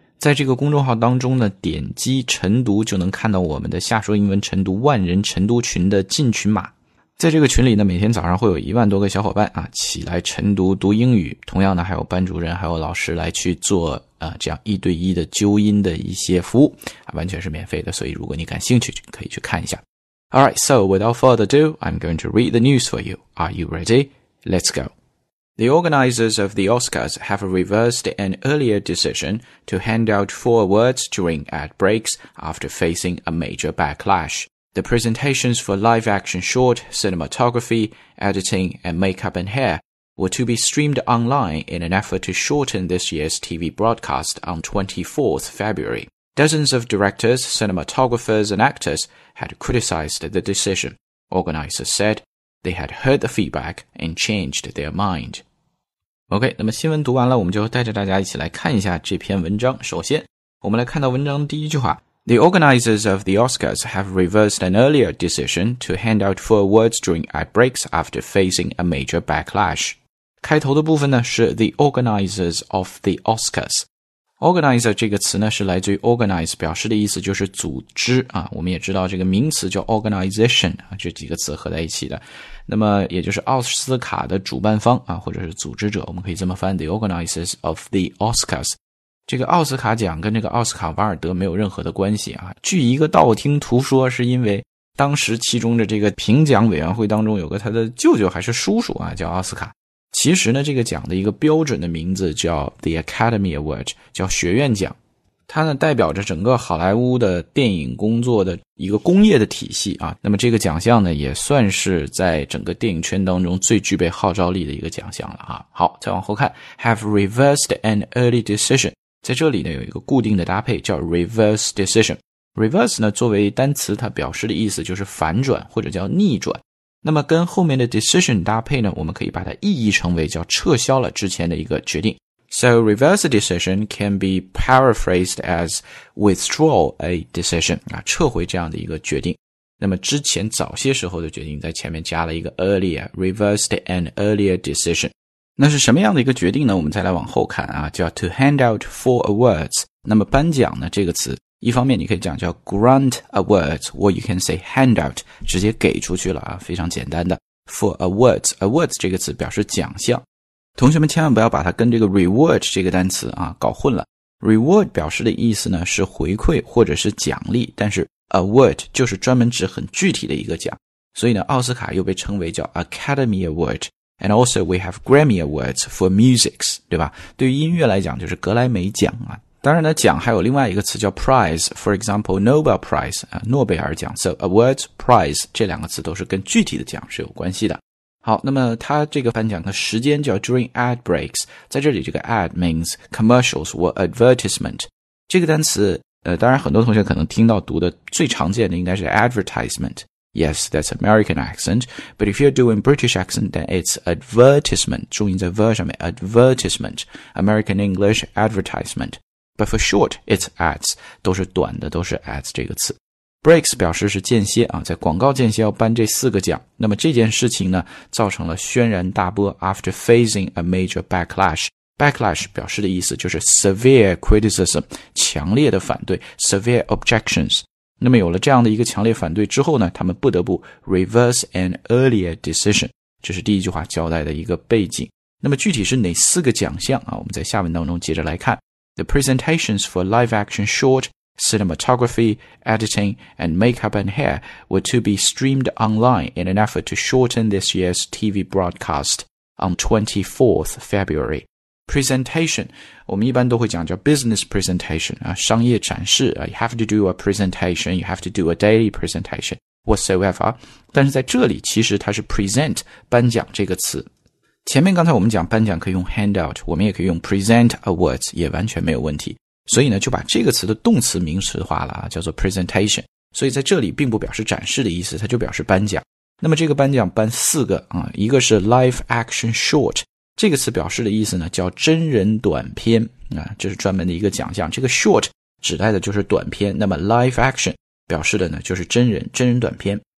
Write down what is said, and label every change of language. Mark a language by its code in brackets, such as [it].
[zh] 在这个公众号当中呢，点击晨读就能看到我们的夏说英文晨读万人晨读群的进群码。在这个群里呢，每天早上会有10000多个小伙伴啊起来晨读读英语，同样呢还有班主任还有老师来去做这样一对一的纠音的一些服务啊，完全是免费的，所以如果你感兴趣可以去看一下。 [en] Alright, so without further ado, I'm going to read the news for you. Are you ready? Let's go. The organizers of the Oscars have reversed an earlier decision to hand out 4 awards during ad breaks after facing a major backlash. The presentations for live-action short, cinematography, editing, and makeup and hair were to be streamed online in an effort to shorten this year's TV broadcast on 24th February. Dozens of directors, cinematographers, and actors had criticized the decision. Organizers said they had heard the feedback and changed their mind. [zh] OK, 那么新闻读完了，我们就带着大家一起来看一下这篇文章。首先，我们来看到文章第一句话。 [en] The organizers of the Oscars have reversed an earlier decision to hand out 4 awards during ad breaks after facing a major backlash. [zh] 开头的部分呢是 the organizers of the Oscars. Organizer 这个词呢是来自于 organize, 表示的意思就是组织啊。我们也知道这个名词叫 organization, 这几个词合在一起的。那么也就是奥斯卡的主办方啊，或者是组织者，我们可以这么翻 the organizers of the Oscars。这个奥斯卡奖跟这个奥斯卡瓦尔德没有任何的关系啊。据一个道听途说，是因为当时其中的这个评奖委员会当中有个他的舅舅还是叔叔啊，叫奥斯卡。其实呢，这个奖的一个标准的名字叫 The Academy Award, 叫学院奖。它呢代表着整个好莱坞的电影工作的一个工业的体系啊。那么这个奖项呢也算是在整个电影圈当中最具备号召力的一个奖项了啊。好，再往后看 , have reversed an early decision。在这里呢有一个固定的搭配叫 reverse decision。 reverse 呢作为单词它表示的意思就是反转或者叫逆转。那么跟后面的 decision 搭配呢，我们可以把它意译成为叫撤销了之前的一个决定。 [en] So reverse decision can be paraphrased as withdraw a decision, [zh] 啊，撤回这样的一个决定。那么之前早些时候的决定在前面加了一个 earlier, reversed an earlier decision。那是什么样的一个决定呢？我们再来往后看啊，叫 to hand out 4 awards。那么颁奖呢这个词，一方面你可以讲叫 grant awards, or you can say hand out, 直接给出去了啊，非常简单的。 for awards, awards 这个词表示奖项。同学们千万不要把它跟这个 reward 这个单词啊搞混了。 reward 表示的意思呢是回馈或者是奖励，但是 award 就是专门指很具体的一个奖。所以呢奥斯卡又被称为叫 academy award。 [en] And also we have Grammy Awards for Music, 对吧？ [zh] 对于音乐来讲就是格莱美奖啊。当然呢奖还有另外一个词叫 Prize, for example, Nobel Prize, 诺贝尔奖。 So Awards, Prize, 这两个词都是跟具体的奖是有关系的。好，那么他这个颁奖的时间叫 during ad breaks, 在这里这个 ad means commercials or advertisement。这个单词当然很多同学可能听到读的最常见的应该是 advertisement。 [en] Yes, that's American accent, but if you're doing British accent, then it's advertisement, 重音在 ver 上面 advertisement, American English advertisement. But for short, it's ads, 都是短的都是 ads 这个词。 [zh] Breaks 表示是间歇啊，在广告间歇要颁这四个奖。那么这件事情呢，造成了轩然大波 after facing a major backlash. Backlash 表示的意思就是 severe criticism, 强烈的反对 severe objections. [en] 那么有了这样的一个强烈反对之后呢他们不得不 reverse an earlier decision 这是第一句话交代的一个背景那么具体是哪四个奖项啊？我们在下文当中接着来看 The presentations for live action short cinematography, editing and makeup and hair were to be streamed online in an effort to shorten this year's TV broadcast on 24th February presentation, 我们一般都会讲叫 business presentation, 啊，商业展示啊 you have to do a presentation, you have to do a daily presentation, whatsoever. [zh] 但是在这里其实它是 present, 颁奖这个词。前面刚才我们讲颁奖可以用 handout, 我们也可以用 present awards, 也完全没有问题。所以呢就把这个词的动词名词化了啊叫做 presentation。所以在这里并不表示展示的意思它就表示颁奖。那么这个颁奖颁四个啊一个是 live action short,这个词表示的意思呢叫真人短片啊，这是专门的一个奖项这个 short 指代的就是短片那么 live action 表示的呢就是真人短片